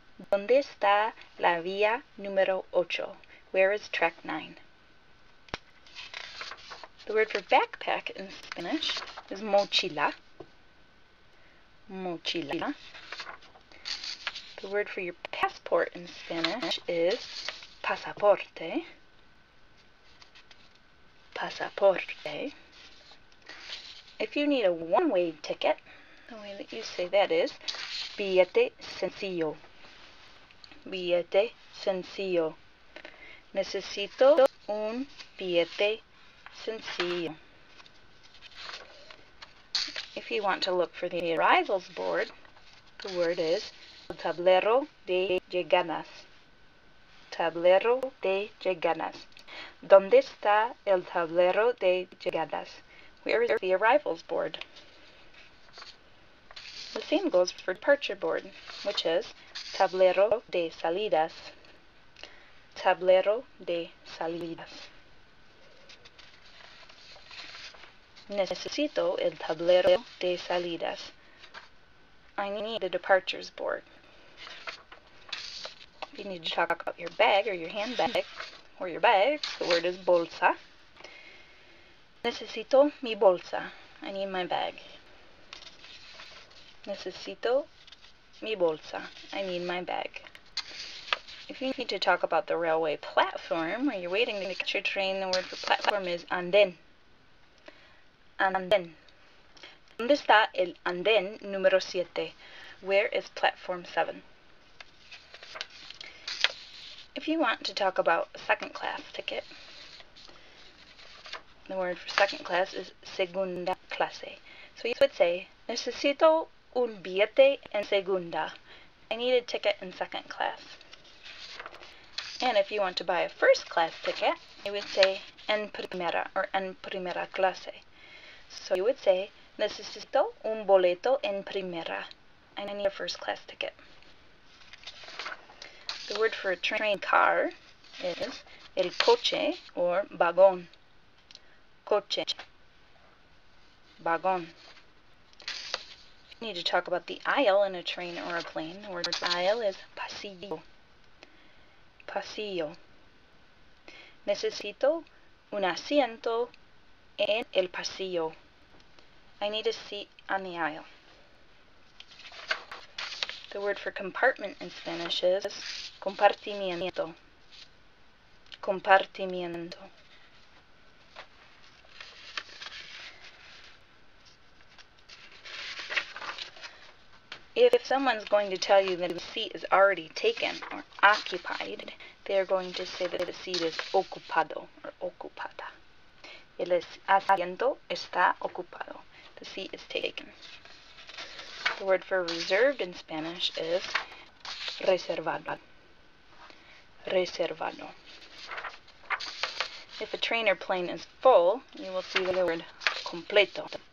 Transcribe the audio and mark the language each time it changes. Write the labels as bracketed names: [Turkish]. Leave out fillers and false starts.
[Spanish] ¿Dónde está la vía número ocho? [English] Where is track 9? The word for backpack in Spanish is mochila. Mochila. The word for your passport in Spanish is pasaporte. Pasaporte. If you need a one-way ticket, the way that you say that is billete sencillo. [Spanish] Billete sencillo. Necesito un billete sencillo. [English] If you want to look for the arrivals board, the word is tablero de llegadas. [Spanish] Tablero de llegadas. ¿Dónde está el tablero de llegadas? [English] Where is the arrivals board? The same goes for departure board, which is tablero de salidas. [Spanish] Tablero de salidas. Necesito el tablero de salidas. [English] I need the departures board. If you need to talk about your bag or your handbag or your bags, the word is bolsa. [Spanish] Necesito mi bolsa. [English] I need my bag. [Spanish] Necesito mi bolsa. [English] I need my bag. If you need to talk about the railway platform where you're waiting to catch your train, the word for platform is andén. [Spanish] Andén. ¿Dónde está el andén número 7? [English] Where is platform 7? If you want to talk about a second class ticket, the word for second class is segunda clase. So you would say, [Spanish] necesito un billete en segunda. [English] I need a ticket in second class. And if you want to buy a first class ticket, you would say en primera or en primera clase. So you would say, [Spanish] necesito un boleto en primera. [English] I need a first class ticket. The word for a train car is el coche or vagón. Coche. Vagón. If you need to talk about the aisle in a train or a plane, the word for aisle is pasillo. [Spanish] Pasillo. Necesito un asiento en el pasillo. [English] I need a seat on the aisle. The word for compartment in Spanish is compartimiento. [Spanish] Compartimiento. [English] If someone's going to tell you that the seat is already taken or occupied, they are going to say that the seat is ocupado or ocupada. [Spanish] El asiento está ocupado. [English] The seat is taken. The word for reserved in Spanish is reservado. Reservado. If a train or plane is full, you will see the word completo.